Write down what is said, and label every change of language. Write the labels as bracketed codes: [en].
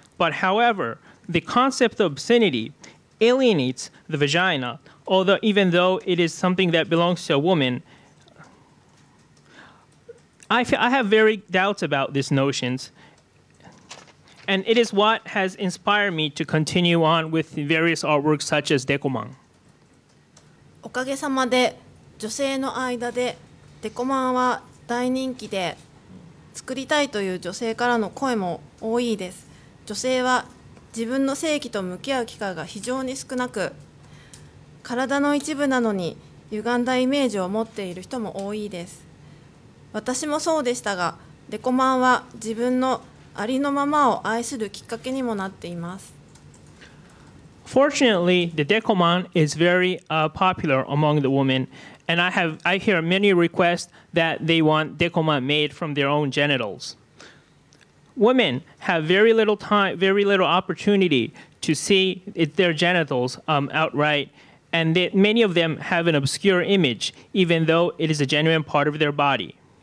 [en] But however, the concept of obscenity alienates the vagina, although even though it is something that belongs to a woman, I have very doubts about these notions. And it is what has inspired me to continue on with various artworks such as Dekoman. [ja] おかげさまで女性の間でデコマンは大人気で作りたいという女性からの声も多いです。女性は自分の性器と向き合う機会が非常に少なく、体の一部なのに歪んだイメージを持っている人も多いです。私もそうでしたが、デコマンは自分のありのままを愛するきっかけにもなっています。 [en] Fortunately, the Dekoman is very popular among the women, and I hear many requests that they want Dekoman made from their own genitals. Women have very little opportunity to see their genitals outright, and many of them have an obscure image, even though it is a genuine part of their body.